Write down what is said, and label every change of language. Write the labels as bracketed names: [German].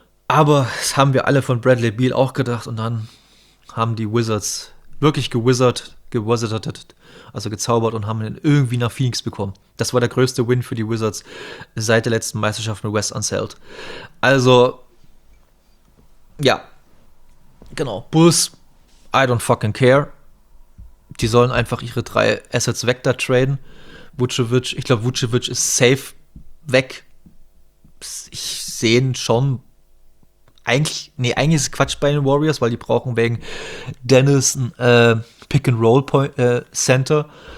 [German] Aber das haben wir alle von Bradley Beal auch gedacht. Und dann haben die Wizards wirklich gezaubert und haben ihn irgendwie nach Phoenix bekommen. Das war der größte Win für die Wizards seit der letzten Meisterschaft mit Wes Unseld. Also, ja, genau. [English] Bulls, I don't fucking care. [German] Die sollen einfach ihre 3 Assets weg da traden. Vucevic, ich glaube, Vucevic ist safe weg. Ich sehe ihn schon. Eigentlich ist es Quatsch bei den Warriors, weil die brauchen wegen Dennis Pick-and-Roll-Center.